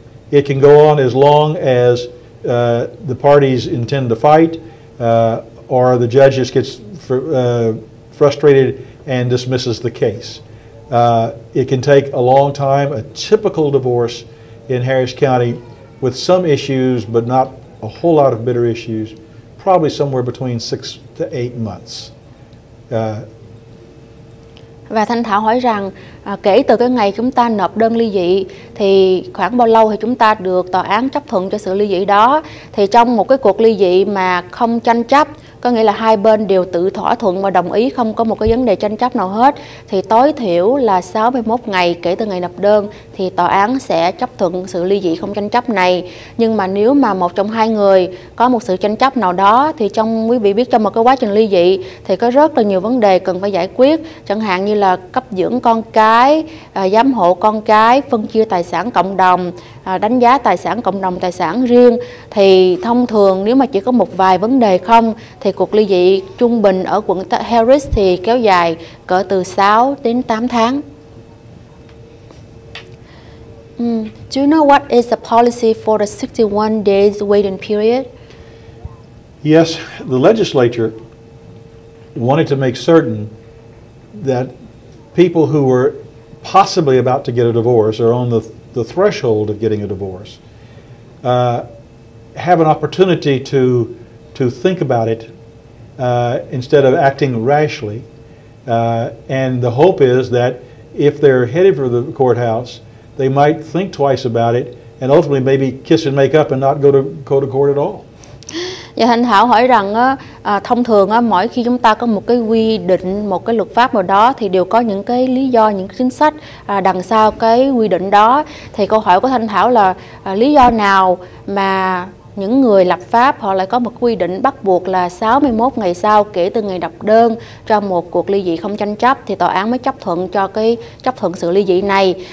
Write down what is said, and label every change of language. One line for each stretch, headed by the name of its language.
English: It can go on as long as the parties intend to fight, or the judge just gets frustrated and dismisses the case. It can take a long time. A typical divorce in Harris County, with some issues but not a whole lot of bitter issues, probably somewhere between 6 to 8 months.
Vietnamese: Và Thanh Thảo hỏi rằng kể từ cái ngày chúng ta nộp đơn ly dị thì khoảng bao lâu thì chúng ta được tòa án chấp thuận cho sự ly dị đó, thì trong một cái cuộc ly dị mà không tranh chấp có nghĩa là hai bên đều tự thỏa thuận và đồng ý không có một cái vấn đề tranh chấp nào hết, thì tối thiểu là 61 ngày kể từ ngày nộp đơn thì tòa án sẽ chấp thuận sự ly dị không tranh chấp này. Nhưng mà nếu mà một trong hai người có một sự tranh chấp nào đó thì trong, quý vị biết, trong một cái quá trình ly dị thì có rất là nhiều vấn đề cần phải giải quyết, chẳng hạn như là cấp dưỡng con cái, giám hộ con cái, phân chia tài sản cộng đồng, đánh giá tài sản cộng đồng, tài sản riêng. Thì thông thường nếu mà chỉ có một vài vấn đề không thì cuộc ly dị trung bình ở quận Harris thì kéo dài cỡ từ 6 đến 8 tháng.
English: Do you know what is the policy for the 61 days waiting period? Yes, the legislature wanted to make certain that people who were possibly about to get a divorce or on the threshold of getting a divorce have an opportunity to think about it instead of acting rashly. And the hope is that if they're headed for the courthouse, they might think twice about it and ultimately maybe kiss and make up and not go to court at all.
Vietnamese: Và Thanh Thảo hỏi rằng thông thường mỗi khi chúng ta có một cái quy định, một cái luật pháp nào đó thì đều có những cái lý do, những cái chính sách đằng sau cái quy định đó. Thì câu hỏi của Thanh Thảo là lý do nào mà những người lập pháp họ lại có một quy định bắt buộc là 61 ngày sau kể từ ngày đọc đơn cho một cuộc ly dị không tranh chấp thì tòa án mới chấp thuận cho cái chấp thuận sự ly dị này.